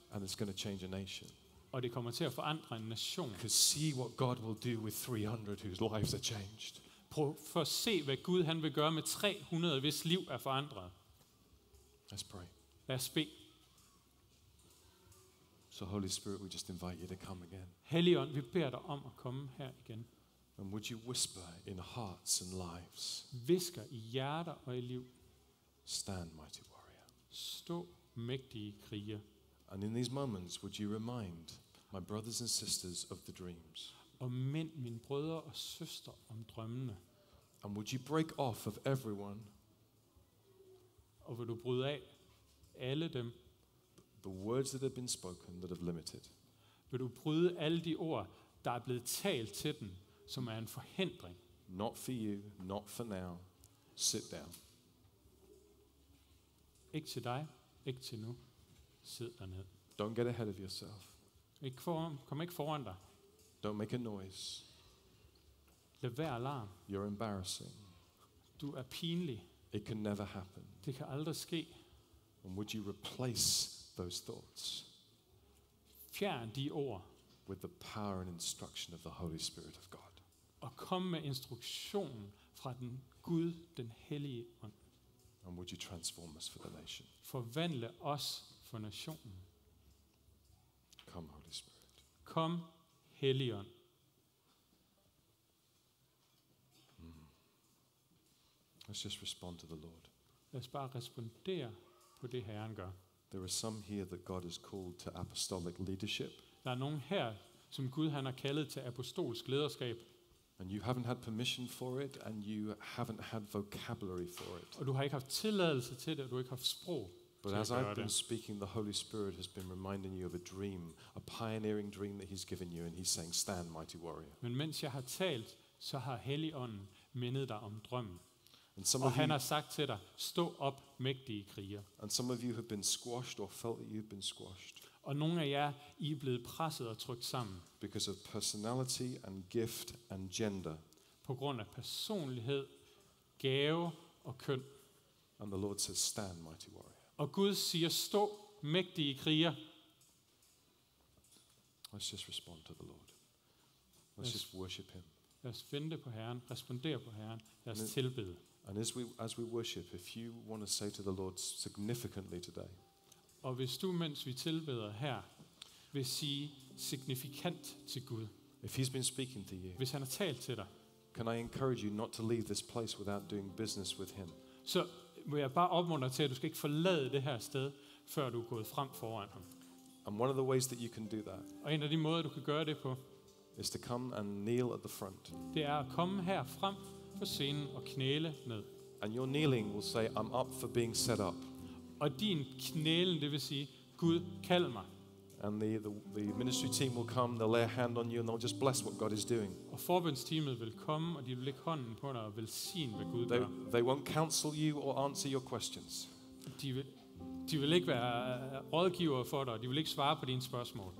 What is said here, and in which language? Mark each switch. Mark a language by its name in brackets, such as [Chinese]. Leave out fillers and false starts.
[English] And it's going to change a nation. [Danish] Og det kommer til at forandre en nation. [English] Because see what God will do with 300 whose lives are changed. [Danish] Prøv for at se hvad Gud han vil gøre med 300 hvis liv er forandret. [English] Let's pray. [Danish] Lad os bede. [English] So Holy Spirit, we just invite you to come again. [Danish] Helligånd, vi beder dig om at komme her igen. [English] And would you whisper in hearts and lives? [Danish] Hvisker i hjerter og i liv. [English] Stand, mighty warrior. [Danish] Stå. Mægtige kriger. [English] And in these moments, would you remind my brothers and sisters of the dreams? [Danish] Og mind mine brødre og søster om drømmene. [English] And would you break off of everyone? [Danish] Og vil du bryde af alle dem? [English] The words that have been spoken that have limited. [Danish] Vil du bryde alle de ord, der er blevet talt til dem, som er en forhindring? [English] Not for you, not for now. Sit down. [Danish] Ikke til dig. Ikke til nu. Sid der ned. [English] Don't get ahead of yourself. [Danish] Kom ikke foran dig. [English] Don't make a noise. [Danish] Lad være alarm. [English] You're embarrassing. [Danish] Du er pinlig. [English] It can never happen. [Danish] Det kan aldrig ske. [English] And would you replace those thoughts? [Danish] Fjern de ord. [English] With the power and instruction of the Holy Spirit of God. [Danish] Og kom med instruktionen fra den Gud, den hellige ånd. [English] And would you transform us for the nation? [Danish] Forvandle os for nationen. [English] Come, Holy Spirit. [Danish] Kom, Helligånd. [English] Let's just respond to the Lord. [Danish] Lad os bare respondere på det, Herren gør. [English] There are some here that God has called to apostolic leadership. [Danish] Der er nogen her, som Gud han har kaldet til apostolsk lederskab. [English] And you haven't had permission for it, and you haven't had vocabulary for it. [Danish] Og du har ikke haft tilladelse til det, og du har ikke haft sprog. [English] But as I've been speaking, the Holy Spirit has been reminding you of a dream, a pioneering dream that He's given you, and He's saying, "Stand, mighty warrior." [Danish] Men mens jeg har talt, så har Helligånden mindet dig om drømmen. [English] And some of you, [Danish] har sagt til dig, stå op, mægtige kriger. [English] And some of you have been squashed or felt that you've been squashed. [Danish] Og nogle af jer, I er blevet presset og trykt sammen. [English] Because of personality and gift and gender. [Danish] På grund af personlighed, gave og køn. [English] And the Lord says, stand, mighty warrior. [Danish] Og Gud siger, stå, mægtige kriger. [English] Let's just respond to the Lord. Let's just worship Him. [Danish] Lad os vente på Herren, respondere på Herren, lad os tilbede. [English] And as we worship, if you want to say to the Lord significantly today. [Danish] Og hvis du, mens vi tilbeder her, vil sige signifikant til Gud. [English] If he's been speaking to you, [Danish] hvis han har talt til dig, [English] can I encourage you not to leave this place without doing business with him? [Danish] Så vil jeg bare opmuntre til, at du skal ikke forlade det her sted, før du er gået frem foran ham. [English] And one of the ways that you can do that, [Danish] og en af de måder, du kan gøre det på, [English] is to come and kneel at the front. [Danish] Det er at komme her frem på scenen og knæle ned. [English] And your kneeling will say, I'm up for being set up. [Danish] Og din knælen, det vil sige, Gud, kald mig. [English] And the ministry team will come, they'll lay a hand on you and they'll just bless what God is doing. [Danish] Og forbønsteamet vil komme, og de vil lægge hånden på dig og velsigne, hvad Gud gør. [English] They won't counsel you or answer your questions. [Danish] De vil ikke være rådgivere for dig, de vil ikke svare på dine spørgsmål.